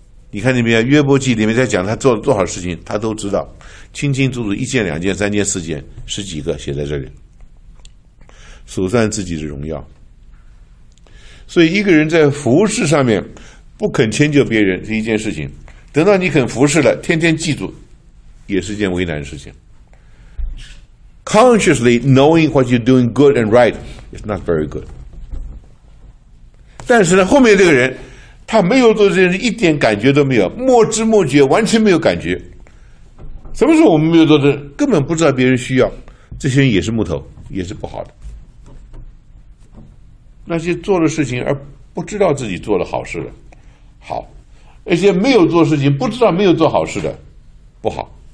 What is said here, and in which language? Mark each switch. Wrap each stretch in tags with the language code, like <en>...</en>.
<zh>你看里面约伯记里面在讲他做了多少事情，他都知道，清清楚楚，一件两件三件四件十几个写在这里，数算自己的荣耀。所以一个人在服侍上面不肯迁就别人是一件事情，等到你肯服侍了，天天记住，也是一件为难的事情。</zh> <en>Consciously knowing what you're doing good and right is not very good。</en> <zh>但是呢，后面这个人他没有做这件事一点感觉都没有，莫知莫觉，完全没有感觉。什么时候我们没有做这，根本不知道别人需要，这些人也是木头，也是不好的。那些做了事情而不知道自己做了好事的，好；那些没有做事情不知道没有做好事的，不好。</zh>